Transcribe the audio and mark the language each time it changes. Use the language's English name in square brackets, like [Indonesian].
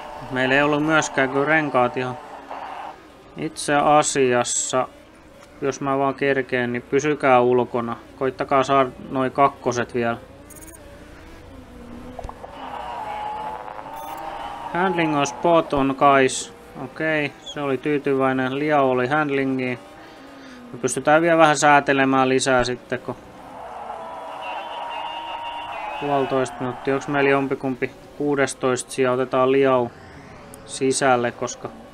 [Finnish] Meillä ei ollut myöskään kuin renkaat ihan itse asiassa. Jos mä vaan kerkeen, niin pysykää ulkona. Koittakaa saada noi kakkoset vielä. [English] Handling on spot on, guys. [Finnish] Okei, se oli tyytyväinen. Liou oli handlingiin. Me pystytään vielä vähän säätelemään lisää sitten, kun... Puolitoista minuuttia. Onks meillä jompikumpi 16 sija? Otetaan Liou sisälle, koska...